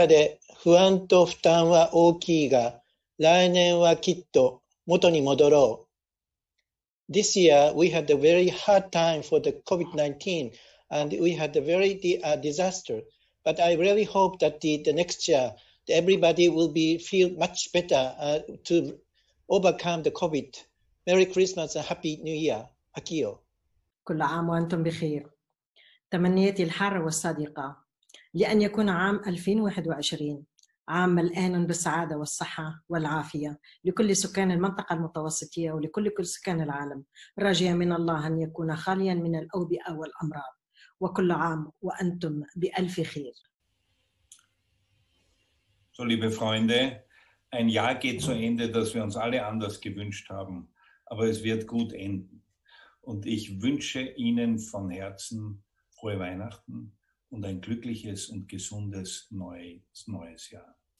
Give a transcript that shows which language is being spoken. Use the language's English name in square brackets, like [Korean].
[Japanese] 코로나禍で不安と負担は大きいが、 来年はきっと元に戻ろう。 [English] This year, we had a very hard time for the COVID-19, and we had a very disaster. But I really hope that the next year, everybody will feel much better to overcome the COVID. Merry Christmas and Happy New Year. Akio. [Arabic] كل عام وأنتم بخير. تمنياتي الحارة والصادقة لأن يكون عام 2021 عام مليان بالسعادة والصحة والعافية لكل سكان المنطقة المتوسطية ولكل كل سكان العالم. راجيا من الله أن يكون خاليا من الأوبئة والأمراض. وكل عام وأنتم بألف خير. [German] So, liebe Freunde, ein Jahr geht zu Ende, das wir uns alle anders gewünscht haben, aber es wird gut enden. Und ich wünsche Ihnen von Herzen frohe Weihnachten und ein glückliches und gesundes neues Jahr.